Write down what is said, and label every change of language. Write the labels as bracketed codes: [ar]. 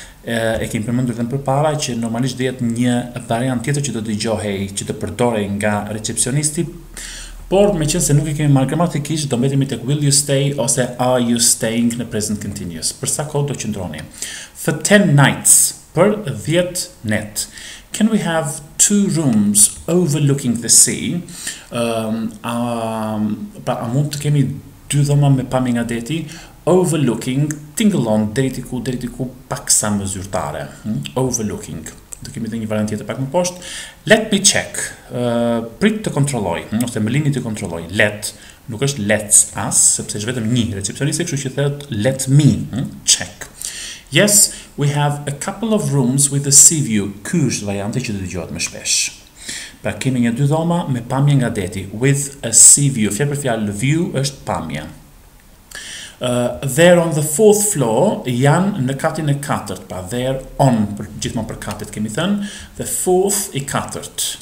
[sq] E kemi përmendur edhe më përpara që normalisht dihet një variant tjetër që do dëgjohej, që të përdorej nga recepcionisti, por me qenë se nuk e kemi marrë gramatikisht, do mbetemi tek [en] will you stay [sq] ose [en] are you staying [sq] në present continuous. Për sa kohë do qëndroni? [en] For 10 nights, [sq] për 10 net. [en] Can we have two rooms overlooking the sea? [sq] A mund të kemi dy dhoma me pamje nga deti? Overlooking, tingëllon, deri tiku pak sa më zyrtare. Overlooking. Do kemi dhe një variant tjetër pak më poshtë. [en] Let me check. [sq] Prit të kontrolloj, ose më lini të kontrolloj. Let, nuk është [en] let's us, [sq] sepse është vetëm një recepcionist, kështu që thotë [en] let me check. Yes, we have a couple of rooms with a sea view. [sq] Ky është varianti që do të dëgjohet më shpesh. Pra kemi një dy dhoma me pamje nga deti. [en] With a sea view, [sq] fjalë për fjalë view është pamje. [en] There on the fourth floor, [sq] janë në katin e katërt, pa [en] there on, [sq] gjithmonë për katët kemi thënë, [en] the fourth [sq] I katërt.